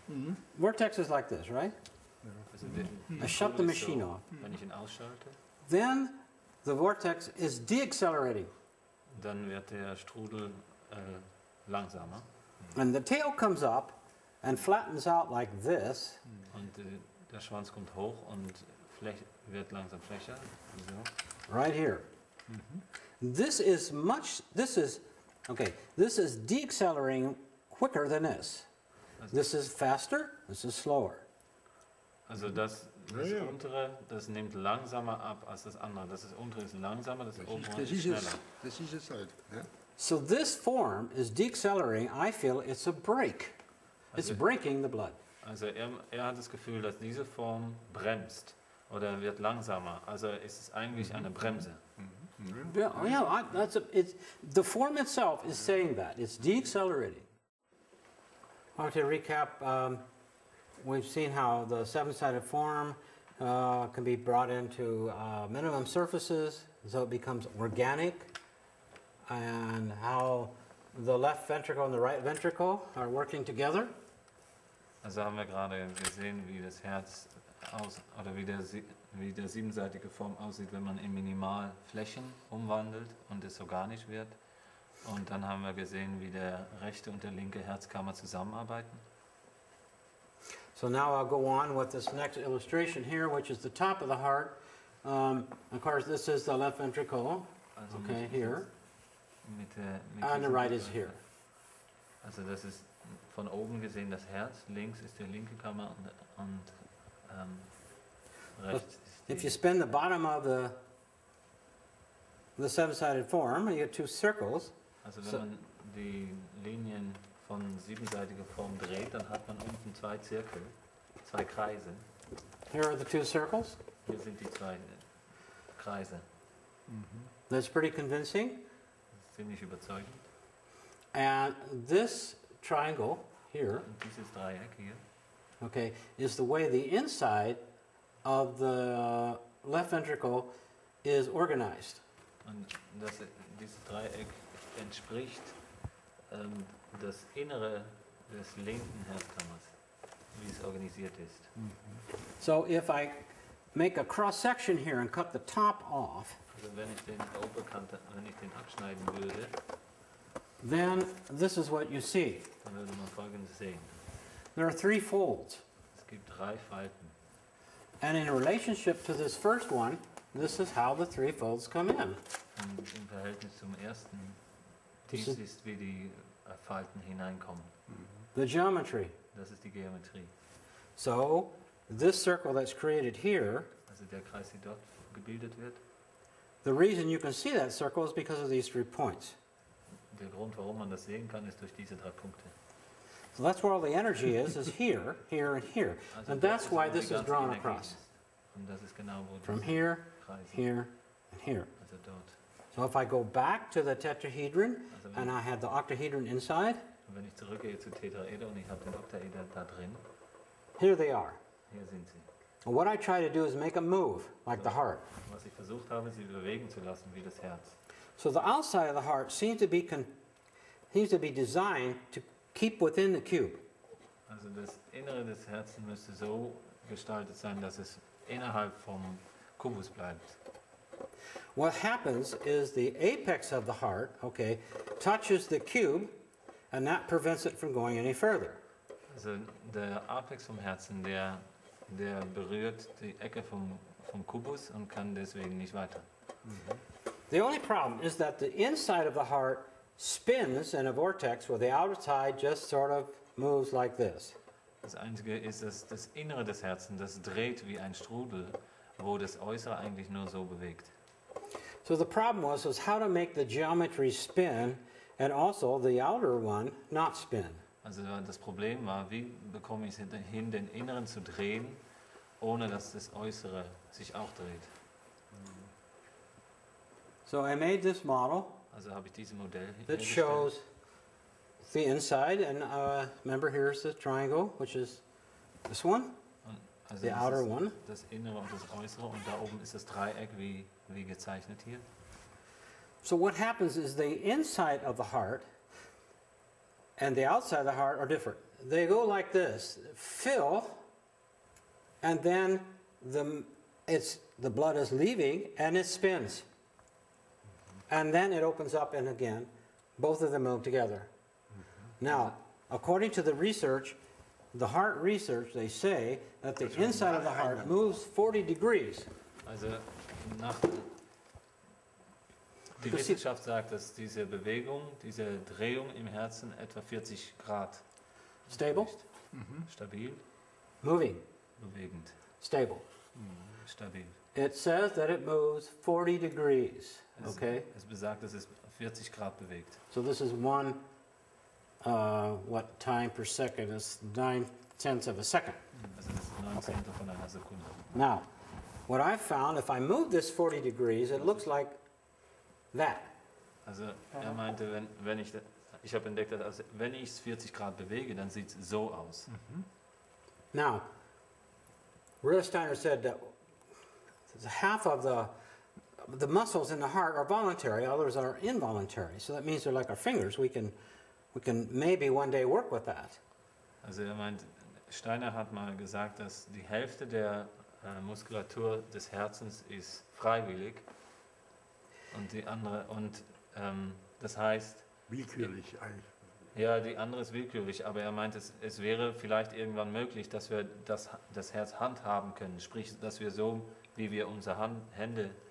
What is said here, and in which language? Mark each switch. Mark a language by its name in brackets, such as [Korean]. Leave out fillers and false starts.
[English] Mm-hmm. Vortex is like this, right? Mm-hmm. I shut the machine off. [German] Wenn ich ihn ausschalte. [English] Then the vortex is deaccelerating. [German] Dann wird der Strudel langsamer. [English] And the tail comes up and flattens out like this. [German] Und der Schwanz kommt hoch und wird langsam flächer. [English] So. Right here. Mm-hmm. This is deaccelerating quicker than this. Also this is faster, this is slower. [German] Also das untere, das nimmt langsamer ab als das andere. Das ist untere ist langsamer, das obere ist schneller. [English] This is just halt, yeah? So this form is deaccelerating, I feel it's a break. It's also breaking the blood. [German] Also er hat das Gefühl, dass diese Form bremst oder wird langsamer. Also ist es eigentlich eine Bremse. Mm-hmm. [English] Yeah, yeah, the form itself is saying that. It's deaccelerating. Well, to recap, we've seen how the seven-sided form can be brought into minimum surfaces, so it becomes organic, and how the left ventricle and the right ventricle are working together. [German] Also haben wir gerade gesehen, wie das Herz aus oder wie der siebenseitige Form aussieht, wenn man in Minimalflächen umwandelt und es organisch wird. Und dann haben wir gesehen, wie der rechte und der linke Herzkammer zusammenarbeiten. [English] So now I'll go on with this next illustration here, which is the top of the heart. Of course, this is the left ventricle, [German] also [English] okay, [German] mit [English] here. And the right is here. [German] Also das ist von oben gesehen das Herz, links ist der linke Kammer und rechts ist die... [English] If you spin the bottom of the seven-sided form, you get two circles. [German] Also wenn man die Linien von siebenseitiger Form dreht, dann hat man unten zwei Zirkel, zwei Kreise. [English] Here are the two circles. [German] Hier sind die zwei Kreise. [English] Mm-hmm. That's pretty convincing. [German] Ziemlich überzeugend. [English] And this triangle here. [German] Und dieses Dreieck hier. [English] Okay, is the way the inside of the left ventricle is organized. [German] Und das, dieses Dreieck entspricht das Innere des linken Herzkammers, wie es organisiert ist. [English] So if I make a cross section here and cut the top off, [German] also wenn ich den abschneiden würde, [English] then this is what you see. [German] Dann würde man Folgendes sehen. [English] There are three folds. [German] Es gibt drei Falten. [English] And in relationship to this first one, this is how the three folds come in. [German] Und im Verhältnis zum ersten, dies ist wie die Falten hineinkommen. [English] The geometry. [German] Das ist die Geometrie. [English] So, this circle that's created here. [German] Also der Kreis, der dort gebildet wird. [English] The reason you can see that circle is because of these three points. [German] Der Grund, warum man das sehen kann, ist durch diese drei Punkte. [English] So that's where all the energy is here, here, and here. [German] Also [English] and that's why this is drawn [German] Energie [English] across. [German] Ist. Und das ist genau, wo [English] from here, [German] Kreise. [English] Here, and here. [German] Also dort. [English] So if I go back to the tetrahedron, also and I have the octahedron inside, [German] wenn ich zurückgehe zu Tetraeder und ich habe den Oktaeder da drin, [English] here they are. [German] Hier sind sie. [English] And what I try to do is make a move, like so, the heart. [German] Was ich versucht habe, sie bewegen zu lassen, wie das Herz. [English] So the outside of the heart seems to be designed to keep within the cube. [German] Also das Innere des Herzens müsste so gestaltet sein, dass es innerhalb vom Kubus bleibt. [English] What happens is the apex of the heart, okay, touches the cube, and that prevents it from going any further. [German] Also der Apex vom Herzen, der berührt die Ecke vom Kubus und kann deswegen nicht weiter. Mm-hmm. [English] The only problem is that the inside of the heart spins in a vortex where the outer side just sort of moves like this. [German] Das einzige ist, dass das Innere des Herzens, das dreht wie ein Strudel, wo das Äußere eigentlich nur so bewegt. [English] So the problem was how to make the geometry spin and also the outer one not spin. [German] Also das Problem war, wie bekomme ich es hin, den Inneren zu drehen, ohne dass das Äußere sich auch dreht. [English] So I made this model. [German] Also habe ich dieses Modell [English] that shows the inside, and remember, here's the triangle, which is this one, also the outer one. [German] Das Innere und das Äußere, und da oben ist das Dreieck, wie gezeichnet hier. [English] So what happens is the inside of the heart and the outside of the heart are different. They go like this, fill, and then the blood is leaving and it spins. And then it opens up, and again, both of them move together. Mm-hmm. Now, according to the research, the heart research, they say that the inside of the heart moves 40 degrees. [German] Also, nach die Wissenschaft sagt, dass diese Bewegung, diese Drehung im Herzen etwa 40 Grad. [English] Stable. [German] Stabil. [English] Moving. [German] Bewegend. [English] Stable. [German] Stabil. [English] It says that it moves 40 degrees. Okay. [German] Es besagt, dass es 40 Grad bewegt. [English] So this is one what time per second is 9/10 of a second. [German] Also das ist 9/10 von einer Sekunde. [English] Now, what I found, if I move this 40 degrees, it looks like that. [German] Also er meinte, wenn ich ich habe entdeckt, dass wenn ich es 40 Grad bewege, dann sieht es so aus. Mm-hmm. [English] Now, Rudolf Steiner said that half of the muscles in the heart are voluntary, others are involuntary. So that means they're like our fingers. We can maybe one day work with that. [German] Also er meint, Steiner hat mal gesagt, dass die Hälfte der Muskulatur des Herzens ist freiwillig und die andere und das heißt willkürlich eigentlich. Ja, die andere ist willkürlich, aber er meint, es wäre vielleicht irgendwann möglich, dass wir das Herz handhaben können, sprich, dass wir so wie wir unsere Hände.